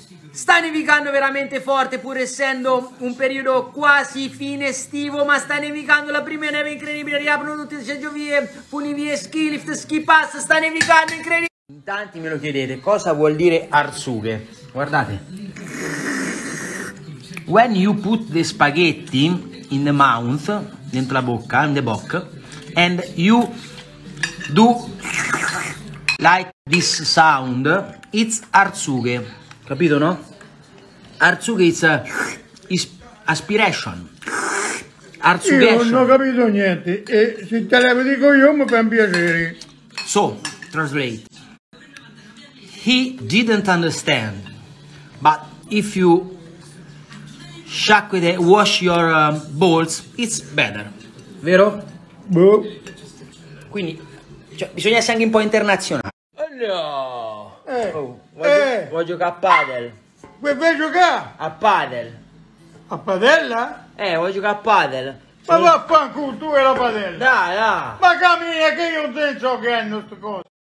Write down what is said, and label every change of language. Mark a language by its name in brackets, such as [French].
[Italian] Sta nevicando veramente forte, pur essendo un periodo quasi fine estivo, ma sta nevicando, la prima neve incredibile, riaprono tutte le ciclovie, funivie, ski lift, ski pass, sta nevicando incredibile. In tanti me lo chiedete, cosa vuol dire arsughe? Guardate. [English] When you put the spaghetti in the mouth, [Italian] dentro la bocca, [English] in the box, and you do like this sound, it's arsughe. [Italian] Capito, no? [English] Arsughe is aspiration. Arsughe. [Italian] Io non ho capito niente. E se te le dico io, mi fa un piacere. [English] So, translate. He didn't understand, but if you wash your balls, it's better, [Italian] vero? Boh. Quindi, cioè, bisogna essere anche un po' internazionale. Oh no! Vuoi giocare a padel? Vuoi giocare? A padel. A padella? Vuoi giocare a padel. Ma vaffanculo, tu e la padella! Dai. Ma cammina, che io non so che è questa cosa!